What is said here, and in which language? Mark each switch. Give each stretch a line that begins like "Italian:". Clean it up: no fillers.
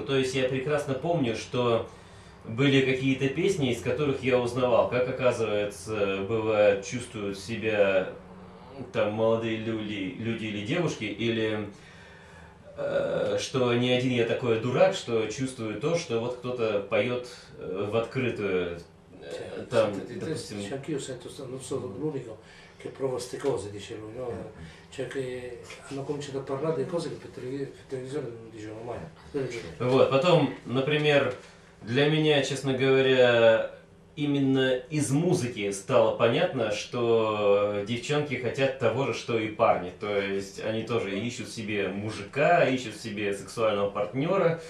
Russian: То есть я прекрасно помню, что были какие-то песни, из которых я узнавал, как, оказывается, бывает, чувствуют себя там молодые люди или девушки, или... что не один я такой дурак, что чувствую то, что вот кто-то поет в открытую, там, допустим...
Italian: Ты anch'io sento, non sono l'unico che prova ste cose, dicevo, no? Cioè che hanno cominciato a parlare di cose che per televisione non dicevano mai.
Russian: Вот, потом, например, для меня, честно говоря, именно из музыки стало понятно, что девчонки хотят того же, что и парни. То есть они тоже ищут себе мужика, ищут себе сексуального партнера.